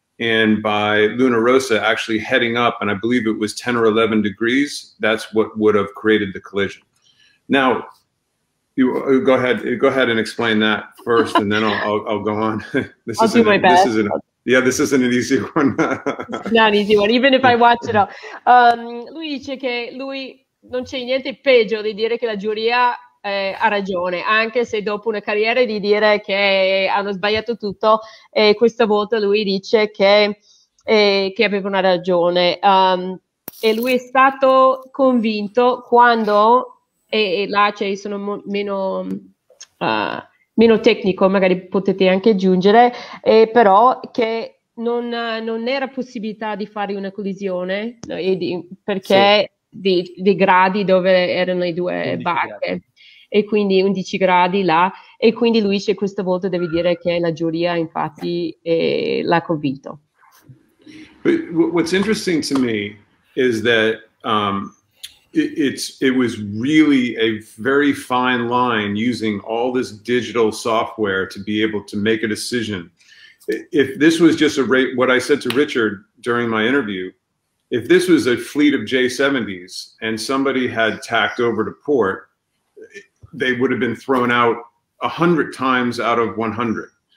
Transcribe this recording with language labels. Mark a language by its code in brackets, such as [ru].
[en] And by Luna Rossa actually heading up, and I believe it was 10 or 11 degrees, that's what would have created the collision. Now, you go ahead and explain that first, and then I'll go on. This isn't an easy one. It's not an easy one, even if I watch it all. [it] Lui dice che lui non c'è niente peggio di dire che la giuria ha ragione, anche se dopo una carriera di dire che hanno sbagliato tutto, questa volta lui dice che aveva una ragione. E lui è stato convinto quando, e là cioè sono meno tecnico, magari potete anche aggiungere, però che non era possibilità di fare una collisione, no, perché sì, di gradi dove erano le due barche. E quindi 11 gradi là, e quindi Luigi questa volta deve dire che la giuria infatti l'ha convinto. [en] What's interesting to me is that it was really a very fine line using all this digital software to be able to make a decision. If this was just what I said to Richard during my interview, if this was a fleet of J70s and somebody had tacked over to port, they would have been thrown out 100 times out of 100.